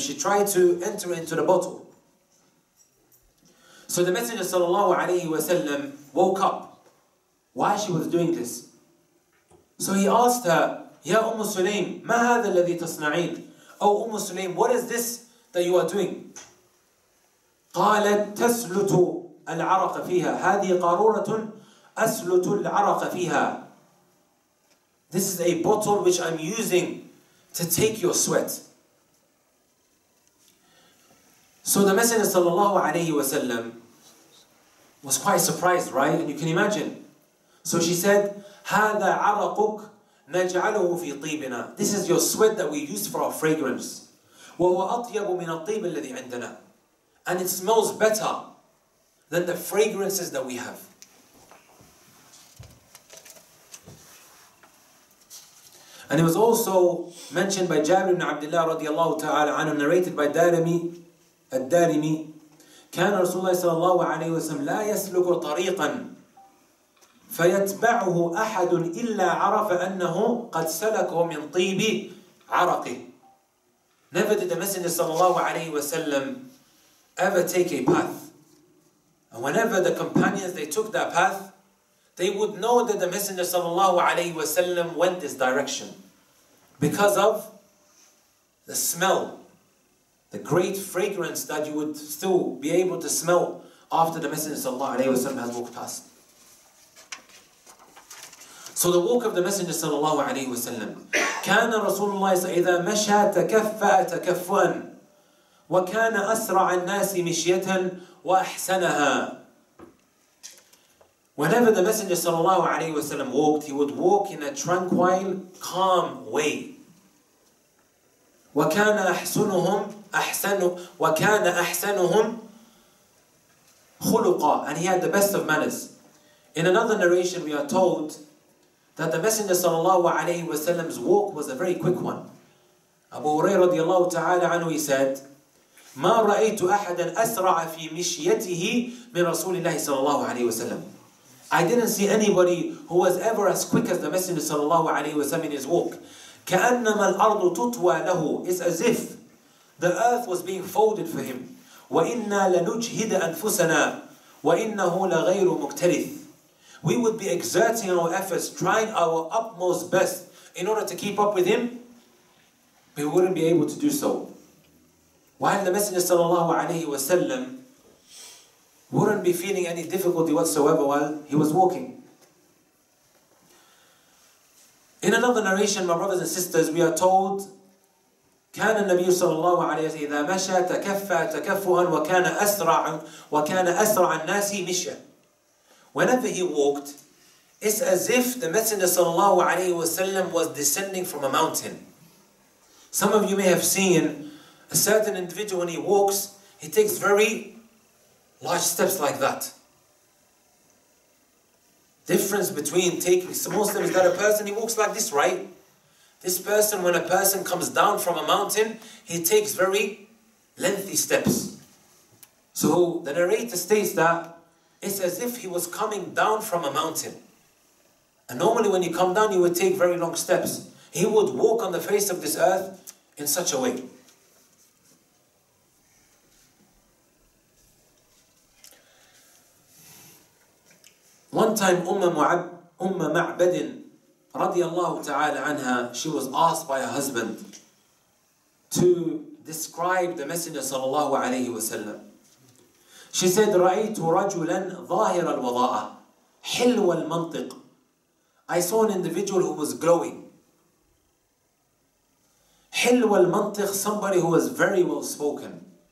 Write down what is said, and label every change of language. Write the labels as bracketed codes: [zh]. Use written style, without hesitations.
[en] She tried to enter into the bottle. So the Messenger sallallahu alayhi wa sallam woke up. Why she was doing this? So he asked her, [ar] Ya Umm Sulaym, ma hadha alladhi tasna'in? [en] Oh Umm Sulaym, what is this that you are doing? [ar] قالت تسلت العرق فيها هذه قارورة أسلت العرق فيها. [en] This is a bottle which I'm using to take your sweat. So the Messenger sallallahu alayhi wa sallam was quite surprised, right? And you can imagine. So she said, [ar] هذا عرقك نجعله في طيبنا. [en] This is your sweat that we use for our fragrance. [ar] وهو أطيب من الطيب الذي عندنا. [en] And it smells better than the fragrances that we have. And it was also mentioned by Jabir ibn Abdullah radiallahu ta'ala anhu, narrated by Ad-Darimi, [ar] كان رسول الله صلى الله عليه وسلم لا يسلك طريقا فيتبعه أحد إلا عرف أنه قد سلك من طيب عرقه. [en] Never did the Messenger صلى الله عليه وسلم ever take a path. And whenever the companions, they took that path, they would know that the Messenger sallallahu alayhi wa sallam went this direction because of the smell, the great fragrance that you would still be able to smell after the Messenger sallallahu alayhi wa sallam has walked past. So the walk of the Messenger sallallahu alayhi wa sallam, [ar] كان رسول الله إذا مشى تكفى تكفواً وكان أسرع الناس مشية وأحسنها. [en] Whenever the Messenger sallallahu alayhi wa sallam walked, he would walk in a tranquil, calm way. [ar] وكان أحسنهم خلقا. [en] And he had the best of manners. In another narration, we are told that the Messenger sallallahu alayhi wa sallam's walk was a very quick one. Abu Hurairah radiallahu ta'ala anhu, he said, [ar] ما رأيت أحدا أسرع في مشيته من رسول الله صلى الله عليه وسلم. [en] I didn't see anybody who was ever as quick as the Messenger صلى الله عليه وسلم in his walk. [ar] كأنما الأرض تطوى له. [en] It's as if the earth was being folded for him. [ar] وإنا لنجهد أنفسنا وإنه لغير مكترث. [en] We would be exerting our efforts, trying our utmost best in order to keep up with him, but we wouldn't be able to do so. While the Messenger sallallahu alayhi wa sallam wouldn't be feeling any difficulty whatsoever while he was walking. In another narration, my brothers and sisters, we are told, [ar] كان النبي صلى الله عليه وسلم إذا مشى تكفى تكفوا وكان أسرع الناس مشى. [en] Whenever he walked, it's as if the Messenger sallallahu alayhi wa sallam was descending from a mountain. Some of you may have seen a certain individual, when he walks, he takes very large steps like that. Difference between taking small steps is that a person, he walks like this, right? This person, when a person comes down from a mountain, he takes very lengthy steps. So the narrator states that it's as if he was coming down from a mountain. And normally when you come down, you would take very long steps. He would walk on the face of this earth in such a way. One time, Umm Ma'badin radiallahu ta'ala anha, she was asked by her husband to describe the Messenger sallallahu alayhi wa sallam. She said, [ar] رَأَيْتُ رَجُلًا ظَاهِرَ الْوَضَاءَ حِلْوَ الْمَنْطِقِ. [en] I saw an individual who was glowing. [ar] حِلْوَ الْمَنْطِقِ, [en] somebody who was very well spoken.